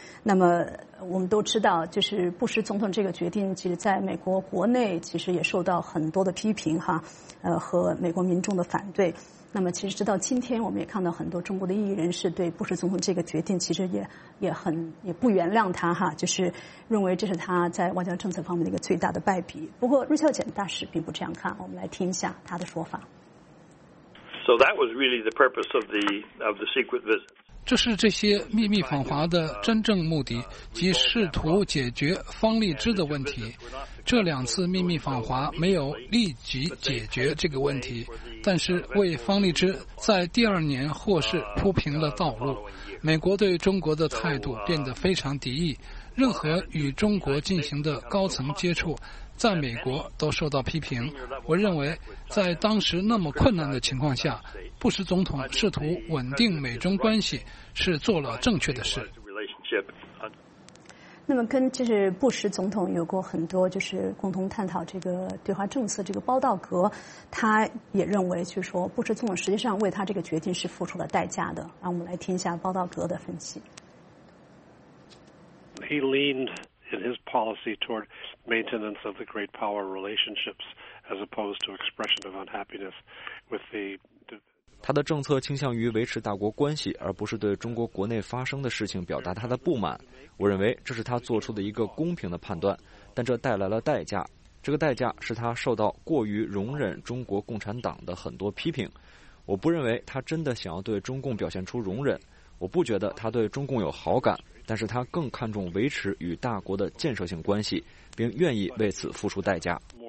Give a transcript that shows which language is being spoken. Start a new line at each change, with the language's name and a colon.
Chinese: 那么我们都知道，就是布什总统这个决定其实在美国国内其实也受到很多的批评哈，和美国民众的反对。那么其实直到今天，我们也看到很多中国的异议人士对布什总统这个决定其实也不原谅他哈，就是认为这是他在外交政策方面的一个最大的败笔。不过瑞孝简大使并不这样看，我们来听一下他的说法。
English: So that was really the purpose of the secret visit.
Chinese: 这是这些秘密访华的真正目的，即试图解决方励芝的问题。这两次秘密访华没有立即解决这个问题，但是为方励芝在第二年获释铺平了道路。美国对中国的态度变得非常敌意，任何与中国进行的高层接触在美国都受到批评。我认为在当时那么困难的情况下，布什总统试图稳定美中关系是做了正确的事。那么跟就是布什总统有过很多就是共同探讨这个对华政策，这个包道格他也认为就是说布什总统实际上为他这个决定是付出了代价的。让我们来听一下包道格的分析。
English: He leaned in his policy toward maintenance of the great power relationships as opposed to expression of unhappiness with the
Chinese: 他的政策倾向于维持大国关系，而不是对中国国内发生的事情表达他的不满。我认为这是他做出的一个公平的判断，但这带来了代价。这个代价是他受到过于容忍中国共产党的很多批评。我不认为他真的想要对中共表现出容忍，我不觉得他对中共有好感，但是他更看重维持与大国的建设性关系，并愿意为此付出代价。